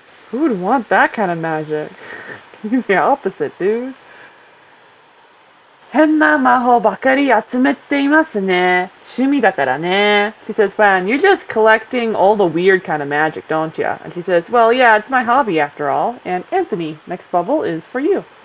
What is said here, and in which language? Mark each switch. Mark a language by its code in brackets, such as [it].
[en] Who would want that kind of magic? The opposite, dude. [ja] 変な魔法ばかり集めていますね。趣味だからね。 [en] She says, Wan, you're just collecting all the weird kind of magic, don't you? And she says, well, yeah, it's my hobby after all. And Anthony, next bubble is for you.